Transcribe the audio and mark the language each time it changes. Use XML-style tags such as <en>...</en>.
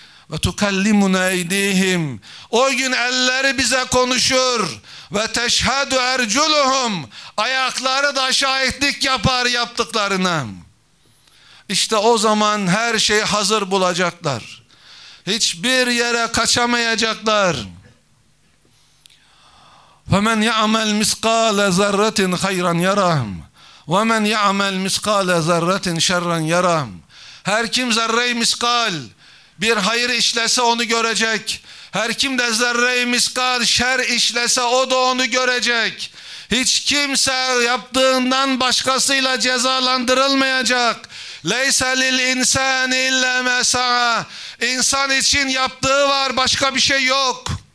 <ar>Ve tukallimuna eydihim.</ar> <tr>O gün elleri bize konuşur.</tr> <ar>Ve teşhedü erculuhum.</ar> <tr>Ayakları da şahitlik yapar yaptıklarına. İşte o zaman her şeyi hazır bulacaklar. Hiçbir yere kaçamayacaklar.</tr> <ar>وَمَنْ يَعْمَلْ مِسْقَالَ زَرَّةٍ خَيْرًا يَرَهُمْ وَمَنْ يَعْمَلْ مِسْقَالَ زَرَّةٍ شَرًّا يَرَهُمْ</ar> <tr>Her kim zerre-i miskal bir hayır işlese onu görecek. Her kim de zerre-i miskal şer işlese o da onu görecek. Hiç kimse yaptığından başkasıyla cezalandırılmayacak.</tr> <ar>لَيْسَ لِلْاِنْسَانِ اِلَّا مَا سَعَى</ar> <tr>İnsan için yaptığı var, başka bir şey yok.</tr>